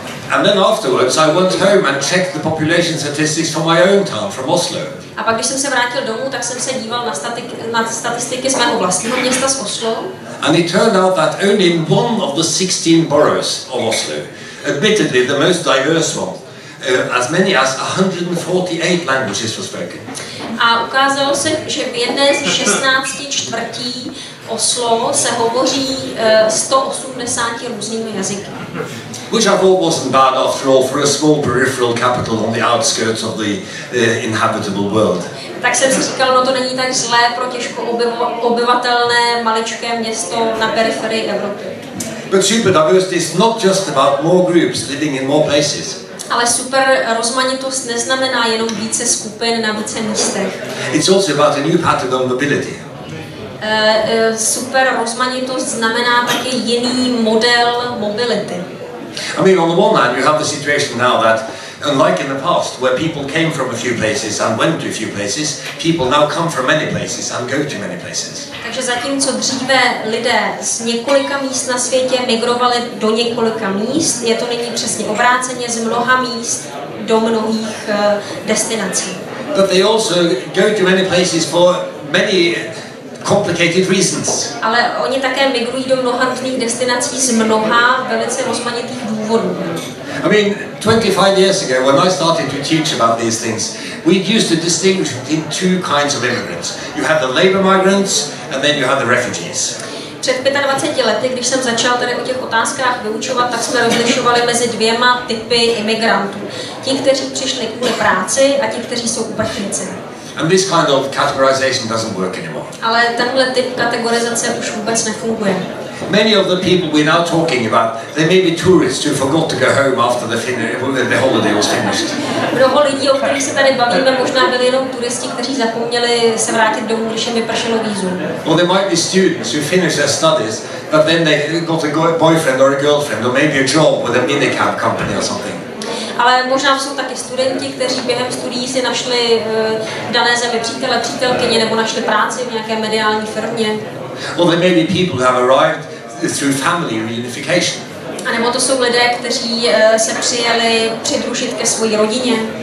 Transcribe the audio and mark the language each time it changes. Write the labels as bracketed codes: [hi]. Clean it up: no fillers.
[en] And then afterwards I went home and checked the population statistics for my own town from Oslo. [cs] A pak když jsem se vrátil domů, tak jsem se díval na statistiky z mého vlastního města z Oslo. [en] And it turned out that only in one of the 16 boroughs of Oslo, admittedly the most diverse one, as many as 148 languages were spoken. [cs] A ukázalo se, že v jedné z 16 čtvrtí Oslo se hovoří 180 různými jazyky. [en] Which I thought wasn't bad after all for a small peripheral capital on the outskirts of the inhabitable world. [cs] Tak jsem si říkal, no to není tak zlé pro těžko obyvatelné maličké město na periferii Evropy. [en] But superdiversity is not just about more groups living in more places. [cs] Ale super rozmanitost neznamená jenom více skupin na více místech. [en] It's also about a new pattern of mobility. [cs] Super rozmanitost znamená taky jiný model mobility. [en] I mean, on the one hand, you have the situation now that, unlike in the past, where people came from a few places and went to a few places, people now come from many places and go to many places. [cs] Takže zatímco dříve lidé z několika míst na světě migrovali do několika míst, je to nyní přesně obráceně, z mnoha míst do mnohých destinací. [en] But they also go to many places for many complicated reasons. [cs] Ale oni také migrují do mnoha různých destinací z mnoha velice rozmanitých důvodů. [en] I mean, 25 years ago, when I started to teach about these things, we used to distinguish between two kinds of immigrants. You had the labor migrants, and then you had the refugees. [cs] Před 25 lety, když jsem začal tady o těch otázkách vyučovat, tak jsme rozlišovali mezi dvěma typy imigrantů. Ti, kteří přišli kvůli práci, a ti, kteří jsou uprchlíci. [en] And this kind of categorization doesn't work anymore. [cs] Ale tenhle typ kategorizace už vůbec nefunguje. [en] Many of the people we're now talking about, they may be tourists who forgot to go home after the holiday was finished. [cs] Mnoho lidí, o kterých se tady bavíme, možná byli jenom turisti, kteří zapomněli se vrátit domů, když jim vypršelo vízum. [en] Well, they might be students who finished their studies, but then they got a boyfriend or a girlfriend or maybe a job with a minicab company or something. [cs] Ale možná jsou taky studenti, kteří během studií si našli v dané zemi přítele, přítelkyně nebo našli práci v nějaké mediální firmě. [en] Or there may be people who have arrived through family reunification. [cs] A nebo to jsou lidé, kteří se přijeli přidružit ke své rodině.